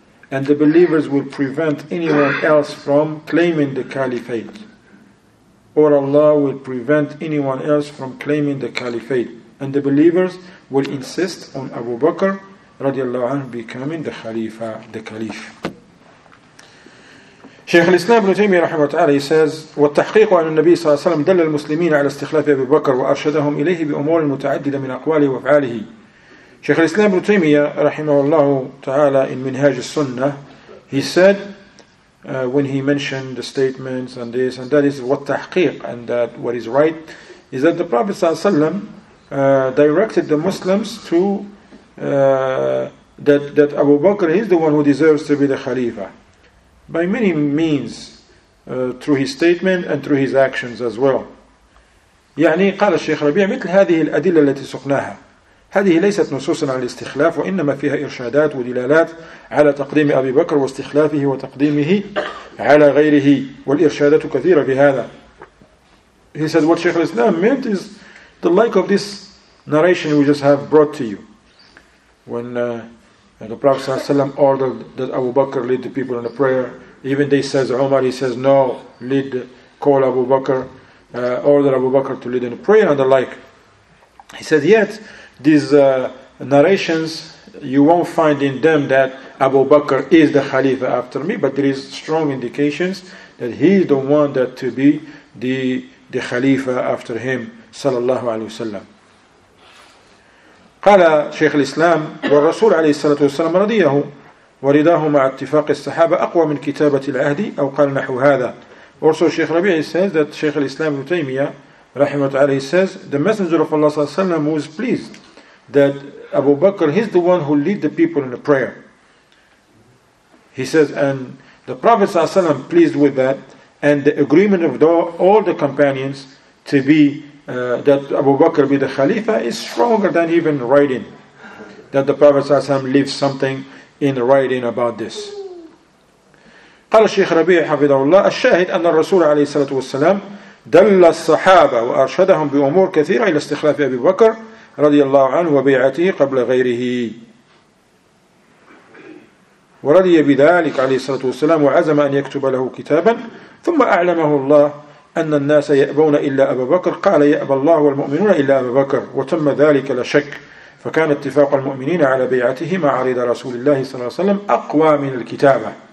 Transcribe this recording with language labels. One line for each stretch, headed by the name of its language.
English: And the believers will prevent anyone else from claiming the caliphate. Or Allah will prevent anyone else from claiming the caliphate. And the believers will insist on Abu Bakr radiallahu anhu becoming the Khalifa, the Caliph." Shaykh al-Islam ibn Taymiyyah rahimahu ta'ala, he says,
Arabic: وَالتَّحْقِيقُ عَنَ النَّبِي صَلَّى اللَّهُ عَلَيْهِ وَسَلَّمَ دَلَّ الْمُسْلِمِينَ عَلَى اسْتِخْلَافِ أَبِي بَكْرَ وَأَرْشَدَهُمْ إِلَيْهِ بِأُمُورٍ مُتَعَدِّدَةٍ مِنْ أَقْوَالِهِ وَأَفْعَالِهِ.
English: Shaykh al-Islam ibn Taymiyyah rahimahullah ta'ala in Minhaj al-Sunnah, he said, when he mentioned the statements and this, and that is what tahqiq, and that what is right, is that the Prophet sallallahu alayhi wa sallam directed the Muslims to that Abu Bakr is the one who deserves to be the Khalifa. By many means, through his statement and through his actions as well.
Arabic: يعني قال الشيخ ربيع مثل هذه الأدلة التي سقناها هذه ليست نصوصا على الاستخلاف، وإنما فيها إرشادات ودلالات على تقديم أبي بكر واستخلافه وتقديمه على غيره، والإرشادات كثيرة في هذا.
English: He said what Sheikh al-Islam meant is the like of this narration we just have brought to you. When the Prophet ﷺ ordered that Abu Bakr lead the people in a prayer, even they says Umar, he says no, lead, call Abu Bakr, order Abu Bakr to lead in a prayer and the like. He said yet these narrations, you won't find in them that Abu Bakr is the Khalifa after me, but there is strong indications that he is the one that to be the Khalifa after him, sallallahu alayhi wa sallam.
Arabic: قال شيخ الإسلام والرسول عليه الصلاة والسلام رضيه ورضاه مع اتفاق الصحابة أقوى من كتابة العهد أو قال نحو هذا. ورسول شيخ ربيع
English: says that
Arabic: شيخ الإسلام ابن تيمية رحمه الله
English: says the messenger of Allah
Arabic: صلى الله عليه وسلم
English: was pleased that Abu Bakr, he's the one who lead the people in the prayer. He says and the Prophet
Arabic: صلى الله عليه وسلم
English: pleased with that and the agreement of all the companions to be that Abu Bakr be the Khalifa is stronger than even writing. That the Prophet ﷺ leaves something in writing about this.
Arabic: قال الشيخ ربيع حفظه الله الشاهد أن الرسول عليه الصلاة والسلام دل الصحابة وأرشدهم بأمور كثيرة إلى استخلاف أبي بكر رضي الله عنه وبيعته قبل غيره. ورضي بذلك عليه الصلاة والسلام وعزم أن يكتب له كتابا ثم أعلمه الله أن الناس يأبون إلا أبا بكر قال يأبى الله والمؤمنون إلا أبا بكر وتم ذلك لا شك فكان اتفاق المؤمنين على بيعته مع رضا رسول الله صلى الله عليه وسلم أقوى من الكتابة.